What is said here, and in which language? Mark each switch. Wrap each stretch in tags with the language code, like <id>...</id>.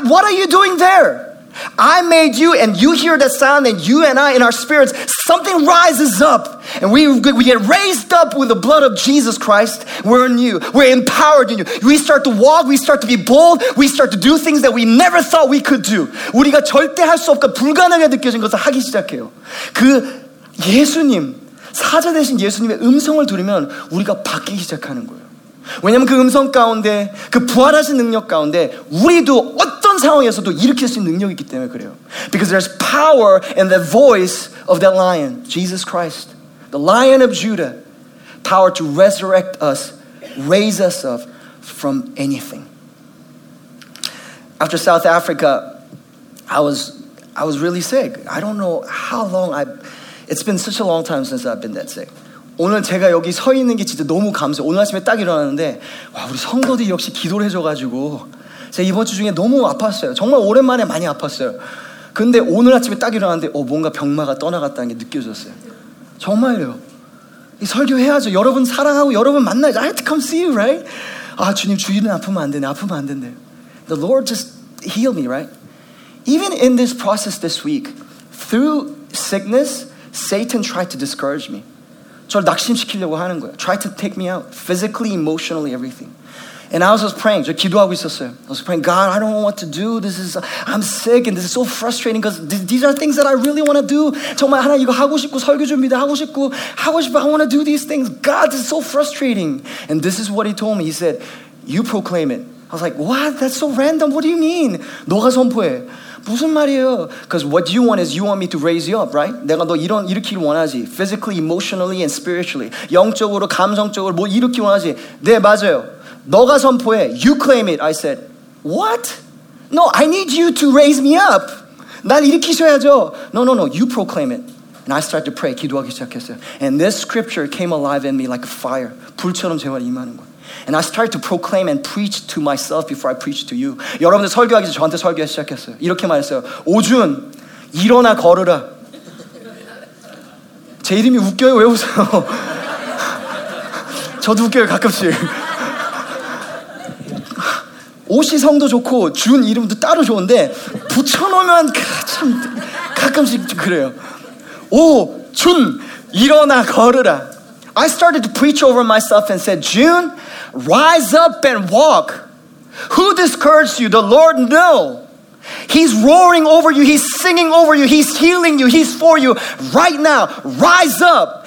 <en>What are you doing there? I made you, and you hear that sound, and you and I, in our spirits, something rises up, and we get raised up with the blood of Jesus Christ. We're in you. We're empowered in you. We start to walk. We start to be bold. We start to do things that we never thought we could do.</en> <ko>우리가 절대 할 수 없고 불가능하게 느껴진 것을 하기 시작해요. 그 예수님, 사자 대신 예수님의 음성을 들으면 우리가 바뀌기 시작하는 거예요. 왜냐하면 그 음성 가운데, 그 부활하신 능력 가운데 우리도 어떤 상황에서도 일으킬 수 있는 능력이 있기 때문에 그래요.</ko> <en>Because there's power in the voice of that lion, Jesus Christ, the Lion of Judah, power to resurrect us, raise us up from anything. After South Africa, I was really sick. I don't know how long It's been such a long time since I've been that sick.</en> <ko>오늘 제가 여기 서 있는 게 진짜 너무 감사해요. 오늘 아침에 딱 일어났는데 와 우리 성도들이 역시 기도를 해줘가지고 제가 이번 주 중에 너무 아팠어요. 정말 오랜만에 많이 아팠어요. 근데 오늘 아침에 딱 일어났는데 뭔가 병마가 떠나갔다는 게 느껴졌어요. 정말요. 이 설교해야죠. 여러분 사랑하고 여러분 만나야죠.</ko> <en>I have to come see you, right?</en> <ko>아 주님 주일은 아프면 안 되네. 아프면 안 된대.</ko> <en>The Lord just healed me, right? Even in this process this week, through sickness, Satan tried to discourage me.</en> <ko>저를 낙심시키려고 하는 거예요.</ko> <en>Tried to take me out, physically, emotionally, everything. And I was just praying.</en> <ko>저 기도하고 있었어요.</ko> <en>I was praying, God, I don't know what to do. This is, I'm sick and this is so frustrating because these are things that I really want to do.</en> <ko>정말 하나 이거 하고 싶고 설교 준비도 하고 싶고 하고 싶어.</ko> <en>I want to do these things. God, this is so frustrating. And this is what he told me. He said, you proclaim it. I was like, what? That's so random. What do you mean?</en> <ko>너가 선포해. 무슨 말이에요?</ko> <en>Because what you want is you want me to raise you up, right?</en> <ko>내가 너 이런 일으키기 원하지.</ko> <en>Physically, emotionally, and spiritually.</en> <ko>영적으로, 감성적으로 뭐 일으키기 원하지. 네, 맞아요. 너가 선포해.</ko> <en>You claim it. I said, what? No, I need you to raise me up.</en> <ko>날 일으키셔야죠.</ko> <en>No. You proclaim it. And I started to pray.</en> <ko>기도하기 시작했어요.</ko> <en>And this scripture came alive in me like a fire.</en> <ko>불처럼 제발 임하는 거예요.</ko> <en>And I started to proclaim and preach to myself before I preached to you.</en> <ko>여러분들 설교하기 전에 저한테 설교 시작했어요. 이렇게 말했어요. 오준, 일어나 걸으라. 제 이름이 웃겨요? 왜 웃어요? 저도 웃겨요, 가끔씩. 오시성도 좋고 준 이름도 따로 좋은데 붙여놓으면 참 가끔씩 그래요. 오준, 일어나 걸으라.</ko> <en>I started to preach over myself and said, June, rise up and walk. Who discouraged you? The Lord? No. He's roaring over you. He's singing over you. He's healing you. He's for you. Right now, rise up.</en>